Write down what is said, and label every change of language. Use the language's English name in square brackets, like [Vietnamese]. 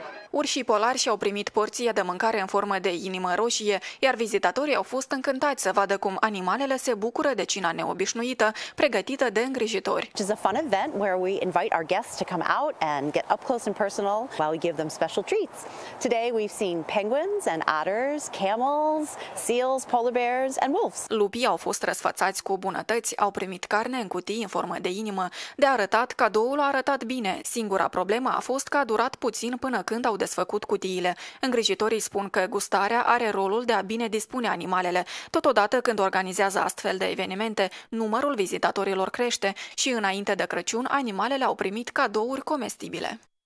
[Romanian] Urșii polari și-au primit porție de mâncare în formă de inimă roșie, iar vizitatorii au fost încântați să vadă cum animalele se bucură de cina neobișnuită, pregătită de îngrijitori. [English] It's a fun event where we invite our guests to come out and get up close and personal while we give them special treats. Today we've seen penguins and otters, camels, seals, polar bears and wolves. [Romanian] Lupii au fost răsfățați cu bunătăți, au primit carne în cutii în formă de inimă. De arătat, cadoul a arătat bine. Singura problemă a fost că a durat puțin până când au desfăcut cutiile. Îngrijitorii spun că gustarea are rolul de a bine dispune animalele. Totodată, când organizează astfel de evenimente, numărul vizitatorilor crește și înainte de Crăciun, animalele au primit cadouri comestibile.